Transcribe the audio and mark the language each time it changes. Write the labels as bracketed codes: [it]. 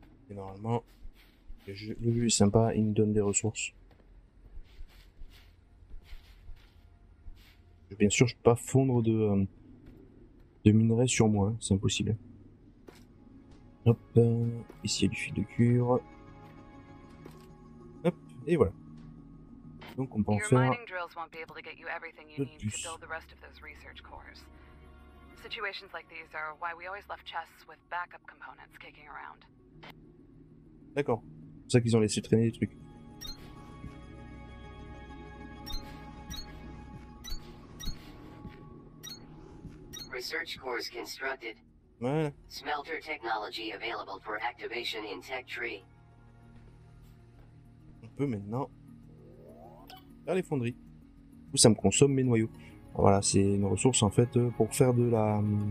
[fr] Et normalement, le jeu est sympa, il nous donne des ressources. Bien sûr, je peux pas fondre de minerais sur moi, hein, c'est impossible. Hop, ici il y a du fil de cuivre. Et voilà. Donc on peut en faire. [en] Your mining drills won't be able to get you everything you need to build the rest of those research cores. Situations like these are why we always left chests with backup components kicking around. [fr] D'accord. C'est ça qu'ils ont laissé traîner les trucs. [en] Research cores constructed. [fr] Voilà. [en] Smelter technology available for activation in tech tree. [fr] Peut maintenant vers les fonderies, où ça me consomme mes noyaux. Voilà, c'est une ressource en fait pour faire de la.